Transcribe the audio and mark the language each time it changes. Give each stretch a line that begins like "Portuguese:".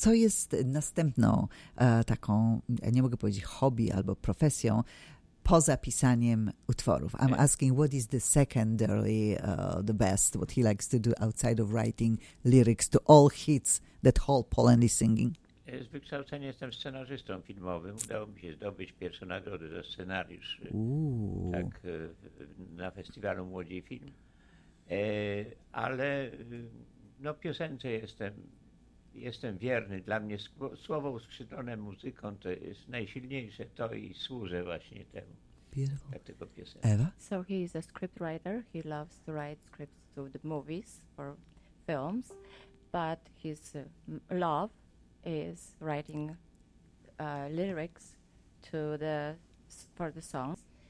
Polish: Co jest następną taką, nie mogę powiedzieć hobby albo profesją, poza pisaniem utworów.
English: I'm asking, what is the secondary, the best, what he likes to do outside of writing lyrics to all hits that whole Poland is singing?
Polish: Z wykształcenia jestem scenarzystą filmowym. Udało mi się zdobyć pierwszą nagrodę za scenariusz. Ooh. Tak, na festiwalu Młodzi Film. Ale no, piosence jestem wierny. Dla mnie słowo uskrzydlone muzyką to jest najsilniejsze, to i służę właśnie temu.
English: Beautiful. Ewa? So he is a script writer. He loves to write scripts to the movies or films, but his love is writing lyrics to the for the songs.